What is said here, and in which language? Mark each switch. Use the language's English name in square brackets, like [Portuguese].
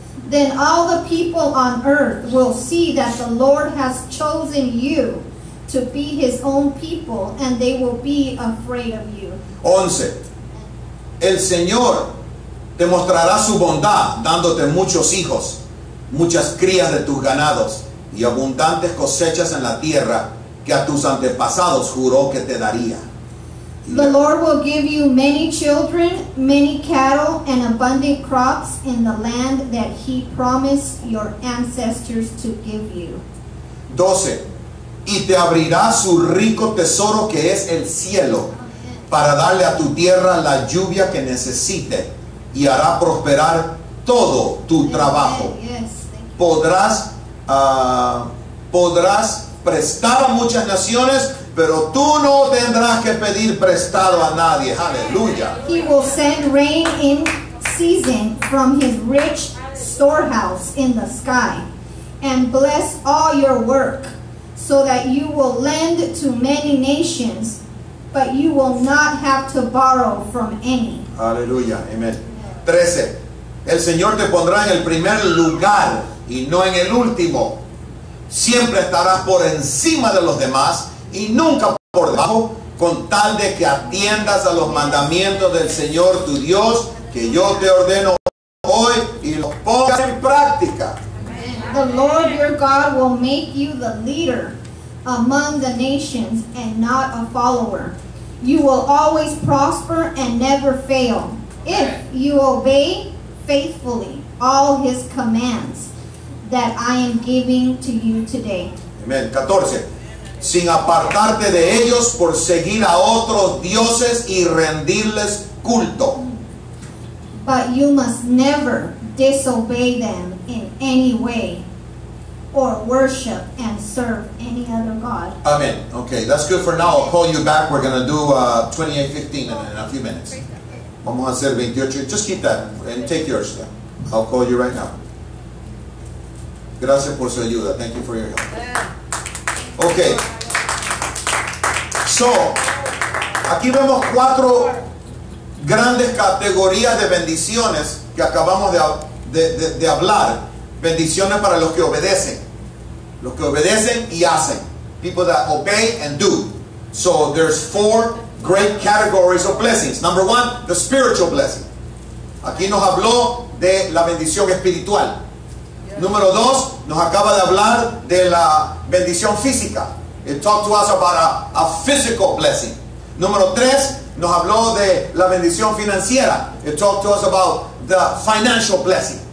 [English] Then all the people on earth will see that the Lord has chosen you to be His own people, and they will be afraid of you. 11. [Spanish] El Señor te mostrará su bondad, dándote muchos hijos, muchas crías de tus ganados, y abundantes cosechas en la tierra que a tus antepasados juró que te daría. [English] The Lord will give you many children, many cattle, and abundant crops in the land that He promised your ancestors to give you. 12. [Spanish] Y te abrirá su rico tesoro que es el cielo, para darle a tu tierra la lluvia que necesite, y hará prosperar todo tu trabajo. Podrás prestar a muchas naciones, pero tú no tendrás que pedir prestado a nadie. Aleluya. [English] He will send rain in season from His rich storehouse in the sky, and bless all your work, so that you will lend to many nations, but you will not have to borrow from any. [Spanish] Aleluya. Amen. 13. El Señor te pondrá en el primer lugar y no en el último. Siempre estarás por encima de los demás y nunca por debajo, con tal de que atiendas a los mandamientos del Señor tu Dios, que yo te ordeno hoy, y los pongas en práctica. [English] The Lord your God will make you the leader among the nations and not a follower. You will always prosper and never fail if you obey faithfully all His commands that I am giving to you today. Amen. 14. [Spanish] Sin apartarte de ellos por seguir a otros dioses y rendirles culto. [English] But you must never disobey them in any way or worship and serve any other god. Amen. Okay, that's good for now. I'll call you back. We're going to do 28:15 in a few minutes. [Spanish] Vamos a hacer 28. [English] Just keep that and take yours. Yeah. I'll call you right now. [Spanish] Gracias por su ayuda. [English] Thank you for your help. Okay. [Spanish] So, aquí vemos cuatro grandes categorías de bendiciones que acabamos de hablar. Bendiciones para los que obedecen. Los que obedecen y hacen. [English] People that obey and do. So, there's four great categories of blessings. Number one, the spiritual blessing. [Spanish] Aquí nos habló de la bendición espiritual. Número dos, nos acaba de hablar de la bendición física. [English] It talked to us about a physical blessing. [Spanish] Número tres, nos habló de la bendición financiera. [English] It talked to us about the financial blessing.